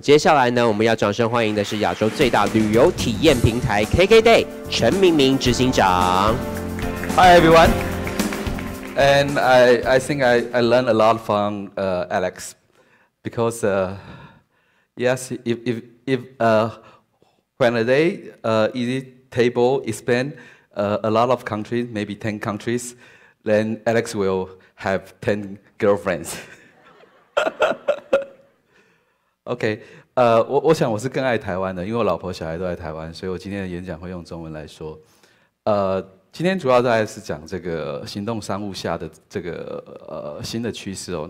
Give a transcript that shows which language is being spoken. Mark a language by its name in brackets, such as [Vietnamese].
[Chinese] 接下来呢，我们要掌声欢迎的是亚洲最大旅游体验平台 KKday 陈明明执行长。 [English] Hi everyone, and I think I learned a lot from Alex, because yes, if when a day easy table expand a lot of countries, maybe 10 countries, then Alex will have 10 girlfriends. [Chinese] OK， 我想我是更爱台湾的，因为我老婆小孩都在台湾，所以我今天的演讲会用中文来说。今天主要大概是讲这个行动商务下的这个新的趋势哦。